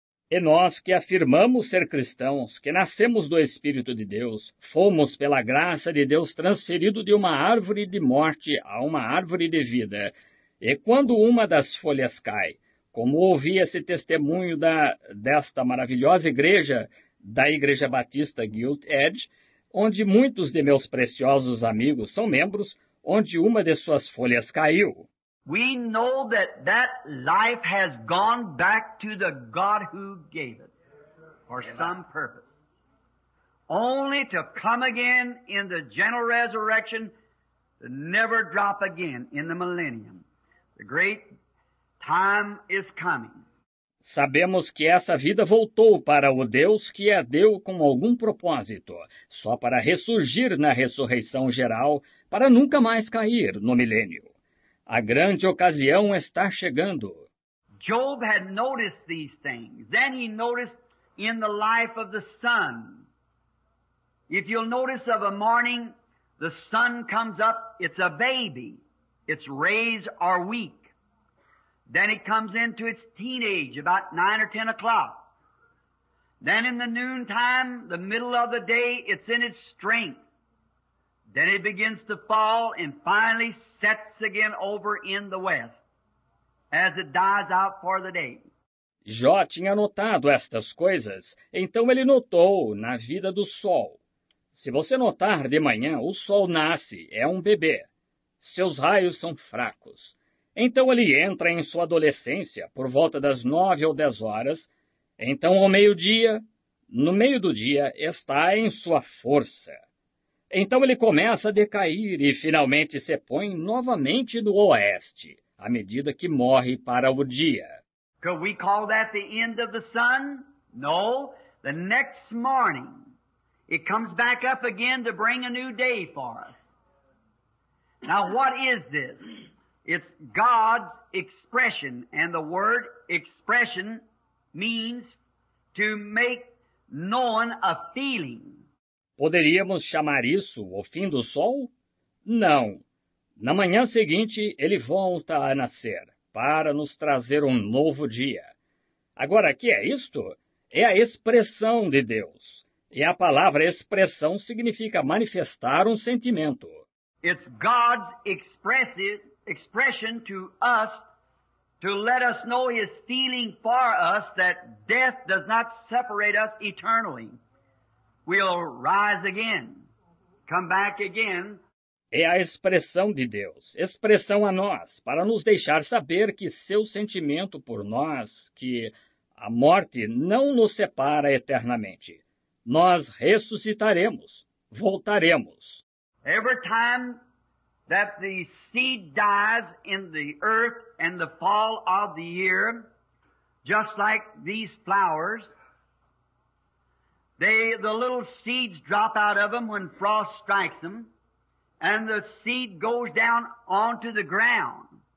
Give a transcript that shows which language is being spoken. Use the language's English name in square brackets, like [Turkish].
[Portuguese] E nós que afirmamos ser cristãos, que nascemos do Espírito de Deus, fomos pela graça de Deus transferido de uma árvore de morte a uma árvore de vida. E quando uma das folhas cai, como ouvi esse testemunho desta maravilhosa igreja, da Igreja Batista Gilt Edge, onde muitos de meus preciosos amigos são membros, onde uma de suas folhas caiu. [English] We know that that life has gone back to the God who gave it for some purpose, only to come again in the general resurrection, never drop again in the millennium. The great time is coming. [Portuguese] Sabemos que essa vida voltou para o Deus que a deu com algum propósito, só para ressurgir na ressurreição geral, para nunca mais cair no milênio. A grande ocasião está chegando. [English] Job had noticed these things. Then he noticed in the life of the sun. If you'll notice of a morning, the sun comes up, it's a baby. Its rays are weak. Then it comes into its teenage, about 9 or 10 o'clock. Then in the noontime, the middle of the day, it's in its strength. Then it begins to fall and finally sets again over in the west, as it dies out for the day. [Portuguese] Jó tinha notado estas coisas, então ele notou na vida do sol. Se você notar de manhã, o sol nasce, é um bebê. Seus raios são fracos. Então ele entra em sua adolescência, por volta das 9 ou 10 horas. Então, ao meio-dia, no meio do dia, está em sua força. Então ele começa a decair e finalmente se põe novamente no oeste, à medida que morre para o dia. [English] Could we call that the end of the sun? No. The next morning, it comes back up again to bring a new day for us. Now, what is this? It's God's expression, and the word expression means to make known a feeling. [Portuguese] Poderíamos chamar isso o fim do sol? Não. Na manhã seguinte, ele volta a nascer, para nos trazer um novo dia. Agora, o que é isto? É a expressão de Deus. E a palavra expressão significa manifestar um sentimento. [English] It's God's expression to us to let us know his feeling for us that death does not separate us eternally. We'll rise again, come back again. [Portuguese] É a expressão de Deus, expressão a nós, para nos deixar saber que seu sentimento por nós, que a morte não nos separa eternamente. Nós ressuscitaremos, voltaremos. [English] Every time that the seed dies in the earth and the fall of the year, just like these flowers, the little seeds drop out of them when frost strikes them, and the seed goes down onto the ground.